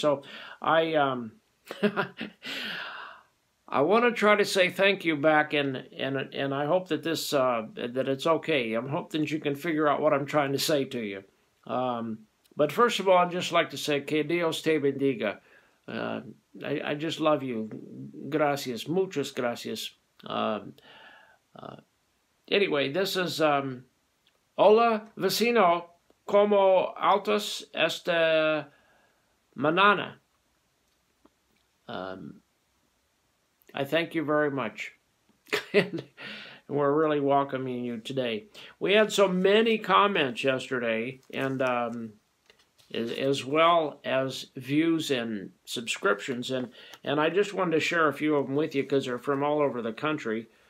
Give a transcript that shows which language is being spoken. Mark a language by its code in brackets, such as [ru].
[en] So I want to try to say thank you back, and I hope that this that it's okay. I'm hoping that you can figure out what I'm trying to say to you. But first of all, I'd just like to say [es] que Dios te bendiga. [en] I just love you. [es] Gracias, muchas gracias. [en] Anyway, this is [es] hola vecino, como altas esta mañana. [en] I thank you very much, and we're really welcoming you today. We had so many comments yesterday, and as well as views and subscriptions, and I just wanted to share a few of them with you because they're from all over the country.